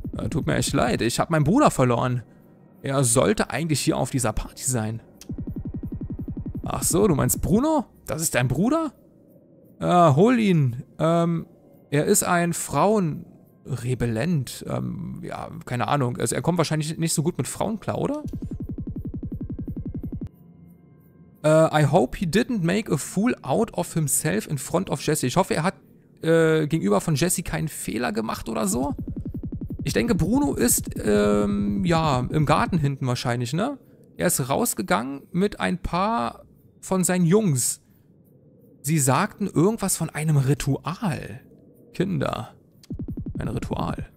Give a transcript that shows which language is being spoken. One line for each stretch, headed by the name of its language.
German: Tut mir echt leid, ich habe meinen Bruder verloren. Er sollte eigentlich hier auf dieser Party sein. Ach so, du meinst Bruno? Das ist dein Bruder? Hol ihn. Er ist ein Frauenrebellent. Ja, keine Ahnung. Also er kommt wahrscheinlich nicht so gut mit Frauen klar, oder?
English: I hope he didn't make a fool out of himself in front of Jesse.
German: Ich hoffe, er hat gegenüber von Jesse keinen Fehler gemacht oder so. Ich denke, Bruno ist im Garten hinten wahrscheinlich, ne? Er ist rausgegangen mit ein paar von seinen Jungs. Sie sagten irgendwas von einem Ritual. Kinder. Ein Ritual.